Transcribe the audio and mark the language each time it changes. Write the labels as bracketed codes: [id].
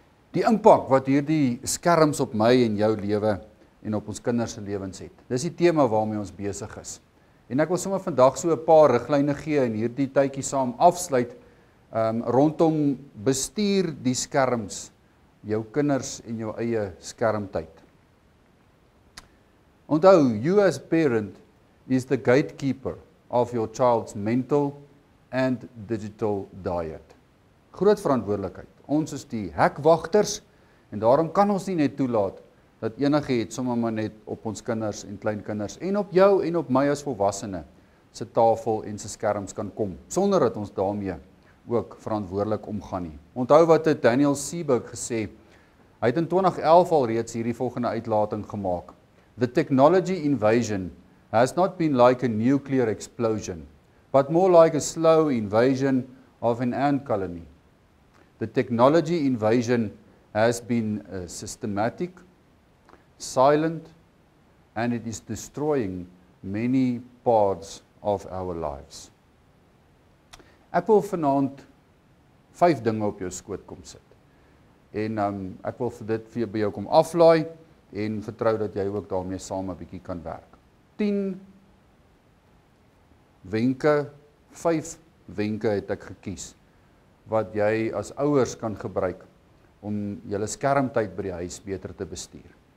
[af] Die impak wat hierdie skerms op my en jou lewe en op ons kinderse lewens het. Dis die tema waarmee ons besig is. En ek wil sommer vandag so 'n paar riglyne gee en hierdie tydjie saam afsluit rondom bestuur die skerms, jou kinders en jou eie skermtyd. [en] Onthou, you as a parent is the gatekeeper of your child's mental and digital diet. [af] Groot verantwoordelikheid. Ons is die hekwagters en daarom kan ons nie net toelaat dat enige iets sommer maar net op ons kinders en kleinkinders en op jou en op my as volwassene se tafel en se skerms kan kom, sonder dat ons daarmee ook verantwoordelik omgaan nie. Onthou wat het Daniel Seabuck gesê, hy het in 2011 al reeds hierdie volgende uitlating gemaak. [en] The technology invasion has not been like a nuclear explosion, but more like a slow invasion of an ant colony. The technology invasion has been systematic, silent, and it is destroying many parts of our lives. [af] Ek wil vanaand 5 dinge op jou skoot kom sit. En ek wil vir dit vir jou kom aflaai en vertrou dat jy ook daarmee saam 'n bietjie kan werk. 10 wenke, 5 wenke het ek gekies, wat jy as ouers kan gebruik om julle skermtyd by die huis beter te bestuur.